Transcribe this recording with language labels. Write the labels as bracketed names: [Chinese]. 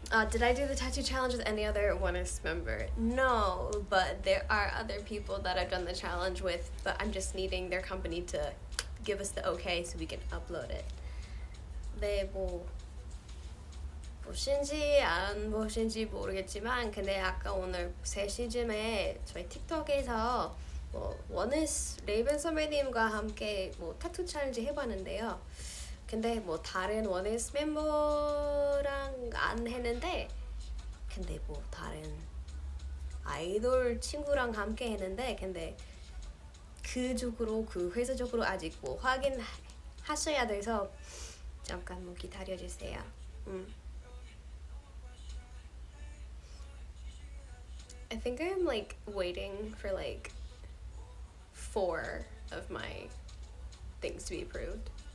[English] Did I do the tattoo challenge with any other Oneus member? No, but there are other people that I've done the challenge with, but I'm just needing their company to give us the okay so we can upload it. [Korean] 네, 뭐 보신지 안 보신지 모르겠지만 근데 아까 오늘 3시쯤에 저희 틱톡에서 뭐 Oneus 레이벤 선배님과 함께 뭐 타투 챌린지 해봤는데요. 근데 뭐 다른 Oneus 멤버랑 안 했는데 근데 뭐 다른 아이돌 친구랑 함께 했는데 근데 그쪽으로 그 회사적으로 아직 뭐 확인하셔야 돼서 잠깐 뭐 기다려 주세요. 응. [English] I think I'm like waiting for like 4 of my things to be approved.